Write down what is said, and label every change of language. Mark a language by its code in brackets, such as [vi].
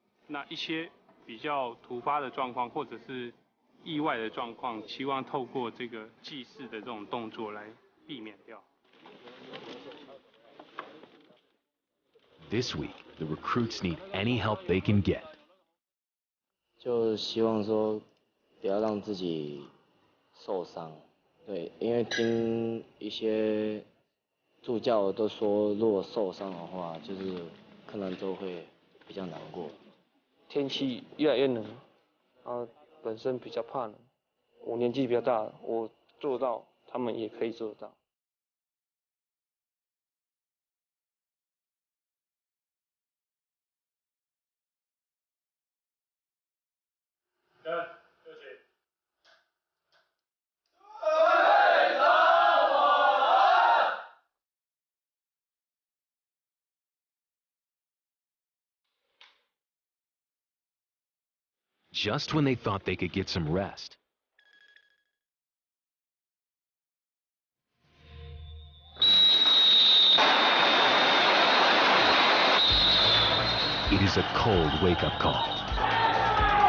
[zh] 那一些比较突发的状况，或者是意外的状况，希望透过这个祭祀的这种动作来避免掉。 [en] This week, the recruits need any help they can get. [zh] 就希望说不要让自己受伤，对，因为听一些助教都说，如果受伤的话，就是可能都会比较难过。天气越来越冷，本身比较怕冷，我年纪比较大，我做到他们也可以做到。 [en] Just when they thought they could get some rest. It is a cold wake-up call.